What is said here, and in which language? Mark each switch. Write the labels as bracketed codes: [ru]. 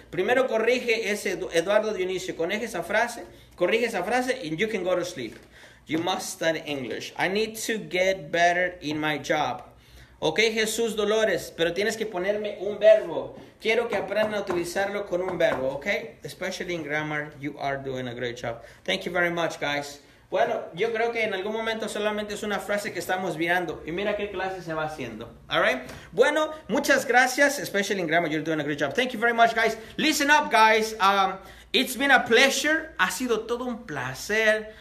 [es] Primero corrige ese Eduardo Dionisio, corrige esa frase [en] and you can go to sleep. You must study English. I need to get better in my job. [es] Ok, Jesús Dolores, pero tienes que ponerme un verbo. Quiero que aprendan a utilizarlo con un verbo, ¿ok? [en] Especially in grammar, you are doing a great job. Thank you very much, guys. [es] Bueno, yo creo que en algún momento solamente es una frase que estamos viendo. Y mira qué clase se va haciendo, ¿all right? Bueno, muchas gracias. [en] Especially in grammar, you're doing a great job. Thank you very much, guys. Listen up, guys. It's been a pleasure. [es] Ha sido todo un placer.